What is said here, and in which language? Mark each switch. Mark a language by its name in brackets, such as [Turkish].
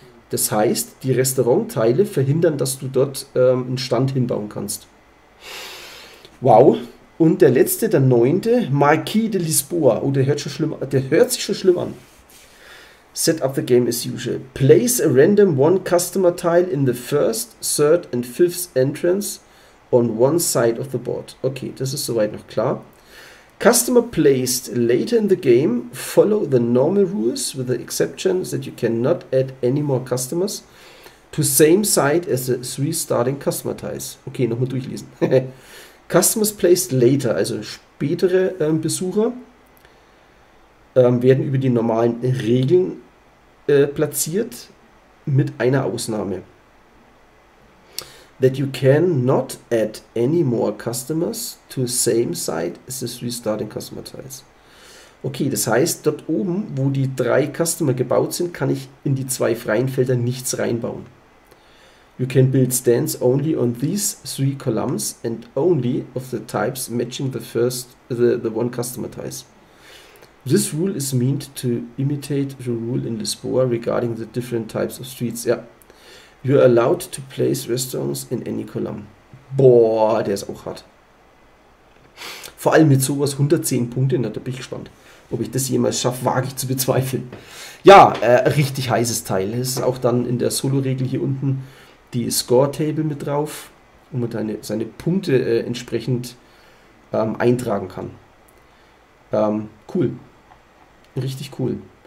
[German] Das heißt, die Restaurantteile verhindern, dass du dort einen Stand hinbauen kannst. Wow. Und der letzte, der 9. Marquis de Lisboa. Oh, der hört schon schlimm, der hört sich schon schlimm an. [English] Set up the game as usual. Place a random 1 customer tile in the 1st, 3rd and 5th entrance on one side of the board. [German] Okay, das ist soweit noch klar. [English] Customer placed later in the game follow the normal rules with the exception that you cannot add any more customers to same side as the 3 starting customer tiles. [German] Okay, nochmal durchlesen. [English] Customers placed later, [German] also spätere Besucher, werden über die normalen Regeln platziert, mit einer Ausnahme. [English] That you can not add any more customers to the same side as the 3 starting customer tiles. [German] Okay, das heißt, dort oben, wo die 3 Customer gebaut sind, kann ich in die 2 freien Felder nichts reinbauen. [English] You can build stands only on these 3 columns and only of the types matching the 1 customer tiles. This rule is meant to imitate the rule in Lisboa regarding the different types of streets. Ja. You are allowed to place restaurants in any column. [German] Boah, der ist auch hart. Vor allem mit sowas 110 Punkte, na, da bin ich gespannt. Ob ich das jemals schaffe, wage ich zu bezweifeln. Ja, richtig heißes Teil. Es ist auch dann in der Solo-Regel hier unten die Score-Table mit drauf, wo man seine Punkte entsprechend eintragen kann. Cool. Richtig cool.